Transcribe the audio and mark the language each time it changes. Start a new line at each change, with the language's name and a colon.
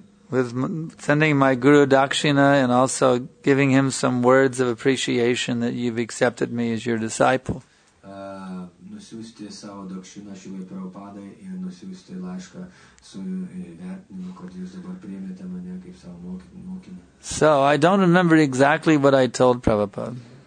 English: With sending my guru dakshina and also giving him some words of appreciation that you've accepted me as your disciple.
Lithuanian: Nusiųsti savo dakšiną Šilai Prabhupadai ir nusiųsti laišką su vertinimu, kad jūs dabar priėmėte mane kaip savo mokinį.
English: So, I don't remember exactly what I told Prabhupada.